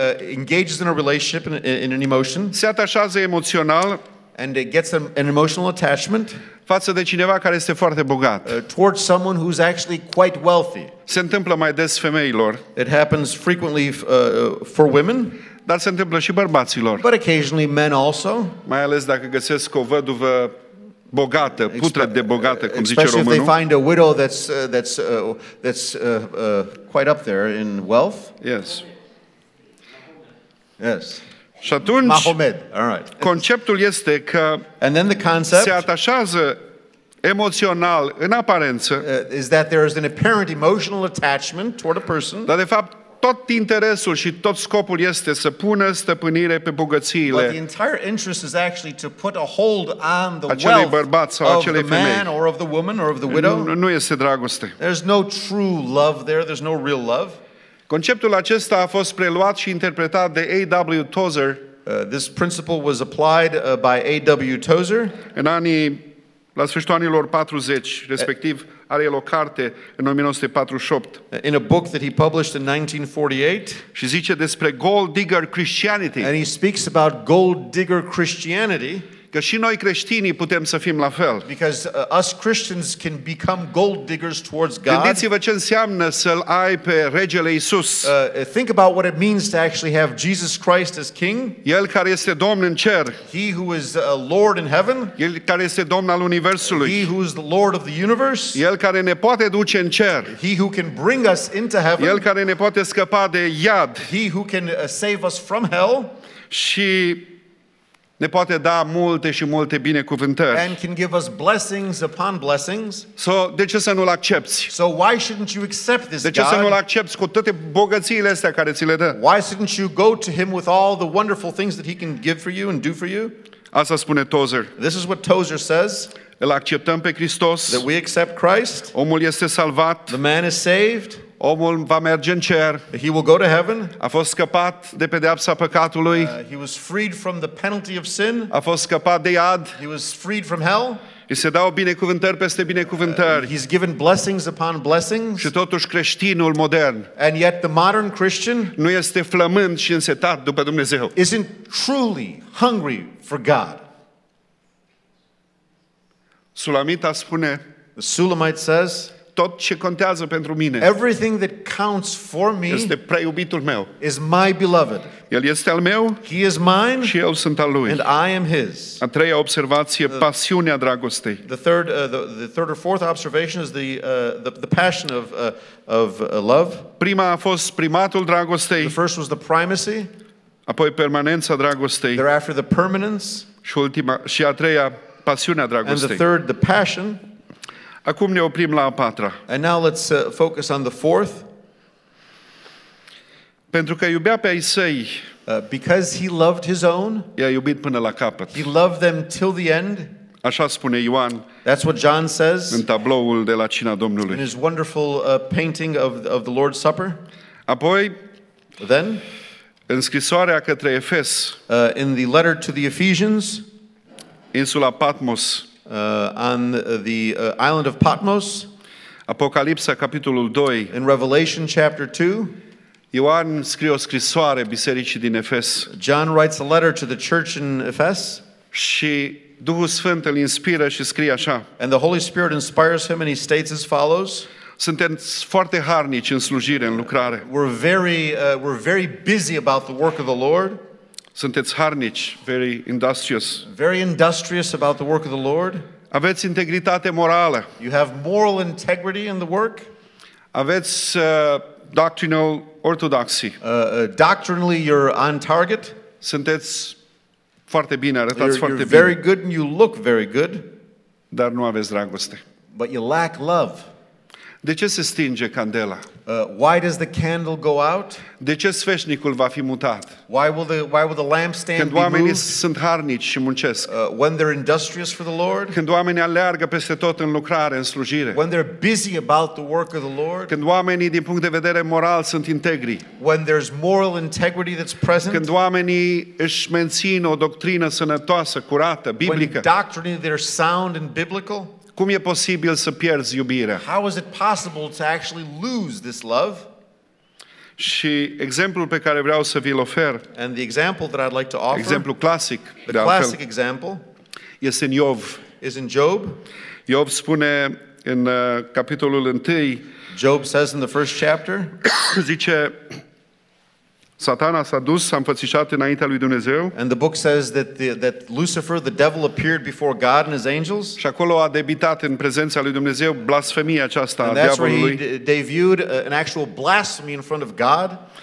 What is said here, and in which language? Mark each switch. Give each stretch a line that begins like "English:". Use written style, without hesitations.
English: engages in a relationship in an emotion,
Romanian: se atașează emoțional,
English: and it gets an emotional attachment,
Romanian: față de cineva care este foarte bogat,
English: towards someone who's actually quite wealthy.
Romanian: Se întâmplă mai des femeilor,
English: it happens frequently for women,
Romanian: dar se întâmplă și bărbaților,
English: but occasionally men also,
Romanian: mai ales dacă găsesc o văduvă bogată, putră de bogată, cum zice românul.
English: If they find a widow that's quite up there in wealth. Yes. Yes.
Romanian: Și atunci,
English: Mahomed. All right.
Romanian: Conceptul este că
English: and then the concept,
Romanian: se atașează emoțional în aparență,
English: is that there is an apparent emotional attachment toward a person.
Romanian: Dar de fapt tot interesul și tot scopul este să pună stăpânire pe bogățiile.
English: But the entire interest is actually to put a hold on the wealth.
Romanian: Acelui bărbat sau acelei femei.
English: Of the man or of the woman or of the widow.
Romanian: Nu este dragoste.
English: There's no true love there. There's no real love.
Romanian: Conceptul acesta a fost preluat și interpretat de A.W. Tozer.
English: This principle was applied by A.W. Tozer.
Romanian: În la sfârșitul anilor 40, respectiv are el o carte în 1948.
English: In a book that he published in 1948,
Romanian: și zice despre
English: gold digger Christianity. And he speaks about gold digger Christianity,
Romanian: că și noi creștinii putem să fim la fel.
English: Because us Christians can become gold diggers towards God.
Romanian: Gândiți-vă ce înseamnă să-l ai pe Regele Iisus.
English: Think about what it means to actually have Jesus Christ as King.
Romanian: El care este Domn în cer.
English: He who is Lord in heaven.
Romanian: El care este Domn al Universului.
English: He who is the Lord of the universe.
Romanian: El care ne poate duce în cer.
English: He who can bring us into heaven.
Romanian: El care ne poate scăpa de iad.
English: He who can save us from hell.
Romanian: Și ne poate da multe și multe binecuvântări.
English: And can give us blessings upon blessings.
Romanian: So, de ce să nu-l accepți?
English: So why shouldn't you accept this God?
Romanian: De ce să nu-l accepți cu toate bogățiile astea care ți le dă?
English: Why shouldn't you go to him with all the wonderful things that he can give for you and do for you?
Romanian: Asta spune Tozer.
English: This is what Tozer says.
Romanian: Îl acceptăm pe Hristos.
English: That we accept Christ.
Romanian: Omul este salvat.
English: The man is saved.
Romanian: Omul va merge în cer.
English: He will go to heaven.
Romanian: A fost scăpat de pedeapsa păcatului.
English: He was freed from the penalty of sin.
Romanian: A fost scăpat de iad.
English: He was freed from hell.
Romanian: Îi se dau binecuvântări peste binecuvântări.
English: He's given blessings upon blessings.
Romanian: Și totuși creștinul modern,
English: and yet the modern Christian,
Romanian: nu este flămând și însetat după Dumnezeu.
English: Isn't truly hungry for God.
Romanian: Sulamita spune,
English: the Sulamite says,
Romanian: tot ce contează pentru mine,
English: everything that counts for me,
Romanian: este preiubitul meu,
English: is my beloved.
Romanian: El este al meu,
English: he is mine,
Romanian: și eu sunt al lui.
English: And I am his.
Romanian: A treia observație, pasiunea dragostei.
English: The third or fourth observation is the passion of love.
Romanian: Prima a fost primatul dragostei.
English: The first was the primacy.
Romanian: Apoi permanența dragostei.
English: Thereafter the permanence.
Romanian: Și ultima, și a treia, pasiunea dragostei.
English: And the third, the passion.
Romanian: Acum ne oprim la a patra.
English: And now let's focus on the fourth.
Romanian: Pentru că iubea pe ai săi,
English: because he loved his own,
Romanian: i-a iubit până la capăt.
English: He loved them till the end.
Romanian: Așa spune Ioan.
English: That's what John says.
Romanian: În tabloul de la cina Domnului.
English: In his wonderful painting of the Lord's Supper.
Romanian: Apoi,
English: then,
Romanian: în scrisoarea către Efes,
English: in the letter to the Ephesians,
Romanian: insula Patmos,
English: On the island of Patmos,
Romanian: Apocalipsa capitolul 2,
English: in Revelation chapter 2,
Romanian: Ioan scrie o scrisoare bisericii din Efes.
English: John writes a letter to the church in Ephes.
Romanian: Și Duhul Sfânt îl inspiră și scrie așa.
English: And the Holy Spirit inspires him and he states as follows.
Romanian: Sunteți foarte harnici în slujire, în lucrare.
English: We're very busy about the work of the Lord.
Romanian: Sunteți harnici,
English: very industrious. Very industrious about the work of the Lord.
Romanian: Aveți integritate morală.
English: You have moral integrity in the work.
Romanian: Aveți
English: doctrinal orthodoxy. Doctrinally you're on target.
Romanian: Sunteți foarte bine, arătați foarte bine.
English: You're very good and you look very good.
Romanian: Dar nu aveți dragoste.
English: But you lack love.
Romanian: De ce se stinge candela?
English: Why does the candle go out?
Romanian: De ce sfeșnicul va fi mutat?
English: Why will the lampstand be moved?
Romanian: Când oamenii sunt harnici și muncesc.
English: When they're industrious for the Lord?
Romanian: Când oamenii aleargă peste tot în lucrare, în slujire.
English: When they're busy about the work of the Lord?
Romanian: Când oamenii din punct de vedere moral sunt integri.
English: When there's moral integrity that's present?
Romanian: Când oamenii își mențin o doctrină sănătoasă, curată, biblică.
English: When doctrinally they're sound and biblical?
Romanian: Cum e posibil să pierzi iubirea?
English: How is it possible to actually lose this love?
Romanian: Și exemplul pe care vreau să vi-l ofer.
English: And the example that I'd like to offer.
Romanian: Exemplu clasic.
English: The classic example.
Romanian: Este în Iov.
English: Is in Job.
Romanian: Iov spune în capitolul 1.
English: Job says in the first chapter.
Romanian: Zice: Satana s-a dus, s-a înfățișat înaintea lui Dumnezeu.
English: And the book says that Lucifer, the devil, appeared before God and his angels.
Romanian: Și acolo a debitat în prezența lui Dumnezeu blasfemia aceasta a diavolului.
English: And that's where he debuted an actual blasphemy in front of God.